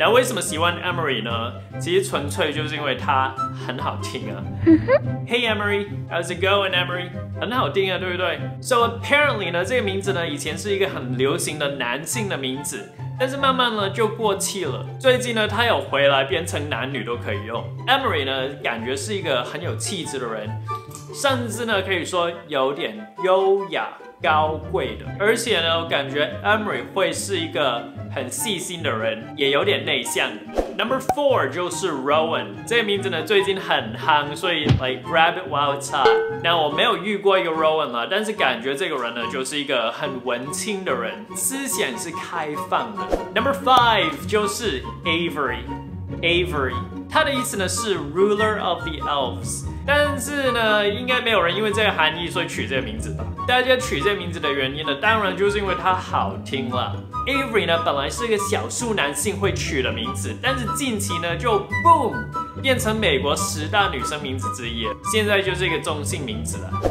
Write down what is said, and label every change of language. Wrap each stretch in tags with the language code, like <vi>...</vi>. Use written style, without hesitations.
<zh>那为什么喜欢 Emery 呢？其实纯粹就是因为它很好听啊。</zh> <en>Hey Emery, how's it going, Emery?</en> <zh>很好听啊，对不对 ？</zh> <en>So apparently</en> <zh>呢，这个名字呢，以前是一个很流行的男性的名字，但是慢慢呢就过气了。最近呢，它有回来变成男女都可以用。Emery 呢，感觉是一个很有气质的人，甚至呢可以说有点优雅。高贵的，而且呢，我感觉 Emery 会是一个很细心的人，也有点内向。</zh> <en>Number four</en> <zh>就是</zh> <en>Rowan，</en> <zh>这个名字呢最近很夯，所以</zh> <en>like grab it while it's hot。</en> <zh>那我没有遇过一个 Rowan 了，但是感觉这个人呢就是一个很文青的人，思想是开放的。</zh> <en>Number five</en> <zh>就是</zh> <en>Avery，</en> <zh>它的意思呢是</zh> <en>ruler of the elves。</en> <zh>但是呢，应该没有人因为这个含义所以取这个名字吧？大家取这个名字的原因呢，当然就是因为它好听了。 Avery 呢，本来是一个少数男性会取的名字，但是近期呢，就 boom 变成美国十大女生名字之一，现在就是一个中性名字了。</zh>